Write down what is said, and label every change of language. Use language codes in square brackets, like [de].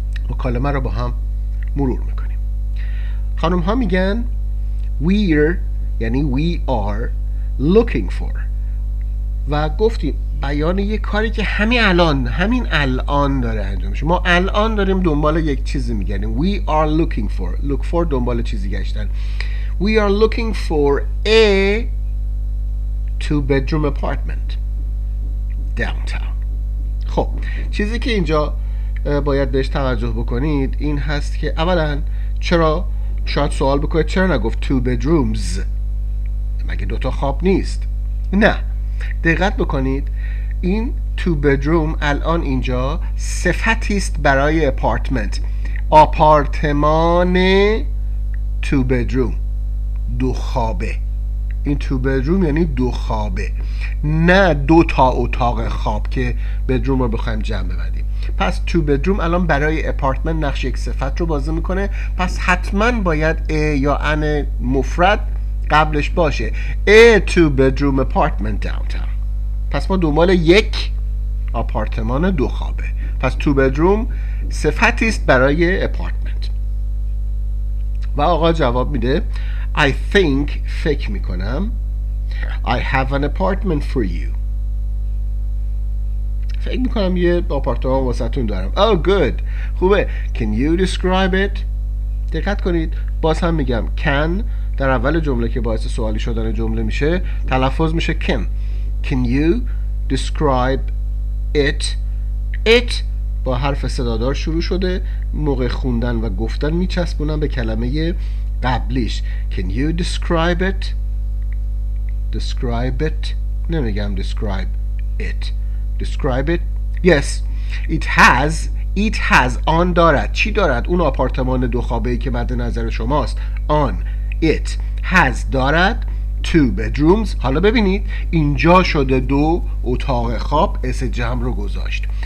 [fa] مکالمه رو با هم مرور میکنیم. خانم ها میگن [en] we are looking for، [fa] و گفتیم بیان یه کاری که همین الان داره انجام میشه. ما الان داریم دنبال یک چیزی میگردیم. [en] We are looking for. Look for [fa] دنبال چیزی گشتن. [en] We are looking for a two bedroom apartment downtown. [fa] خب چیزی که اینجا باید بهش توجه بکنید این هست که اولا چرا، شاید سوال بکنید چرا نگفت [en] two bedrooms، [fa] مگه دوتا خواب نیست؟ نه، دقت بکنید این تو بدروم الان اینجا صفتی است برای اپارتمنت، آپارتمان تو بدروم، دو خوابه. این تو بدروم یعنی دو خوابه، نه دو تا اتاق خواب که بدروم رو بخوایم جمع ببندیم. پس تو بدروم الان برای اپارتمنت نقش یک صفت رو بازی میکنه، پس حتما باید ا یا ان مفرد قبلش باشه. [en] A two bedroom apartment downtown. [fa] پس ما دنبال یک آپارتمان دو خوابه. پس [en] two bedroom [fa] صفتی است برای apartment. و آقا جواب میده [en] I think، [fa] فکر میکنم، [en] I have an apartment for you. [fa] فکر میکنم یه آپارتمان واسه تون دارم. [en] Oh good. [fa] خوبه. [en] Can you describe it؟ [fa] دقت کنید. باز هم میگم can، در اول جمله که باعث سوالی شدن جمله میشه تلفظ میشه can. [en] Can you describe it؟ [fa] it با حرف صدادار شروع شده، موقع خوندن و گفتن میچسبونن به کلمه قبلیش. [en] Can you describe it؟ describe it [fa] نمیگم [en] describe it. Describe it. Yes. It has [fa] آن دارد. چی دارد؟ اون آپارتمان دو خوابه‌ای که مد نظر شماست. آن. It has دارد [en] two bedrooms. [fa] حالا ببینید اینجا شده دو اتاق خواب، اس جمع رو گذاشت.